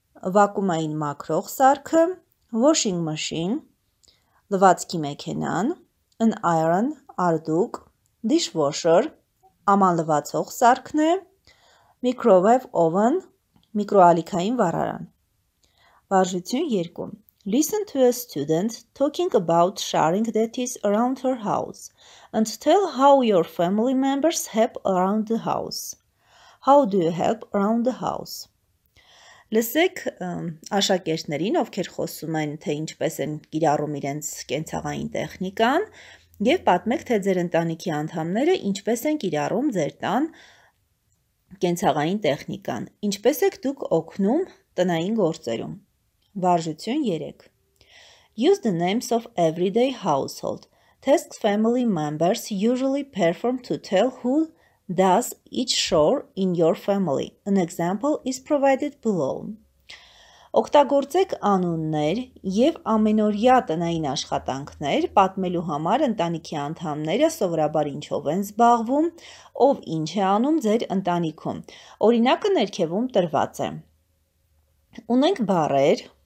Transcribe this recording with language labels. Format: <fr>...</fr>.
<hy>Վակումային մաքրող սարքը.</hy> <en>Washing machine.</en> <hy>Լվացքի մեքենան.</hy> <en>An iron.</en> <hy>Արդուկ.</hy> <en>Dishwasher.</en> <hy>Ամանլվացող սարքն է.</hy> <en>Microwave oven.</en> <hy>Միկրոալիքային վառարան. Վարժություն 2.</hy> <en>Listen to a student talking about sharing that is around her house and tell how your family members help around the house. How do you help around the house?</en> <hy>Լսեք աշակերտներին, ովքեր խոսում են, թե ինչպես են կիրառում իրենց կենցաղային տեխնիկան, և պատմեք, թե ձեր ընտանիքի անդամները ինչպես են կիրառում ձեր տան կենցաղային տեխնիկան, ինչպես եք դուք օգնում տնային գործերում. Վարժություն 3.</hy> <en>Use the names of everyday household. Task family members usually perform to tell who does each chore in your family. An example is provided below.</en> <hy>Օգտագործեք անուններ և ամենօրյա տնային աշխատանքներ պատմելու համար ընտանիքի անդամները սովորաբար ինչով են զբաղվում, ով ինչ է անում ձեր ընտանիքում. Օրինակը ներքևում տրված է. Ունենք բառեր.</hy>